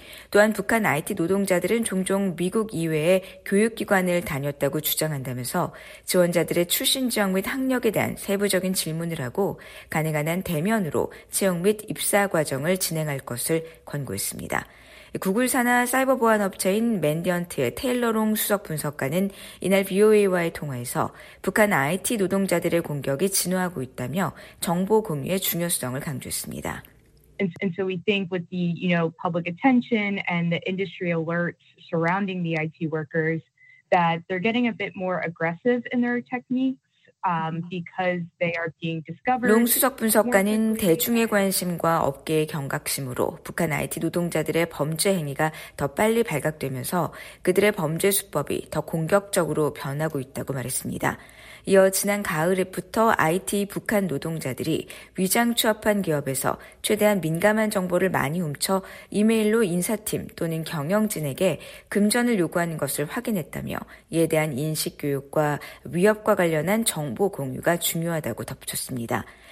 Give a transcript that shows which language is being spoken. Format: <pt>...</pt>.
<ko>또한 북한 IT 노동자들은 종종 미국 이외의 교육기관을 다녔다고 주장한다면서 지원자들의 출신 지역 및 학력에 대한 세부적인 질문을 하고 가능한 한 대면으로 채용 및 입사 과정을 진행할 것을 권고했습니다. 구글 산하 사이버 보안 업체인 맨디언트의 테일러 롱 수석 분석가는 이날 VOA와의 통화에서 북한 IT 노동자들의 공격이 진화하고 있다며 정보 공유의 중요성을 강조했습니다.</ko> <en>And so we think with the, you know, public attention and the industry alerts surrounding the IT workers that they're getting a bit more aggressive in their technique. Because they are being discovered.</en> <ko>롱 수석 분석가는 대중의 관심과 업계의 경각심으로 북한 IT 노동자들의 범죄 행위가 더 빨리 발각되면서 그들의 범죄 수법이 더 공격적으로 변하고 있다고 말했습니다. 이어 지난 가을에부터 IT 북한 노동자들이 위장 취업한 기업에서 최대한 민감한 정보를 많이 훔쳐 이메일로 인사팀 또는 경영진에게 금전을 요구하는 것을 확인했다며 이에 대한 인식 교육과 위협과 관련한 정보 공유가 중요하다고 덧붙였습니다.</ko>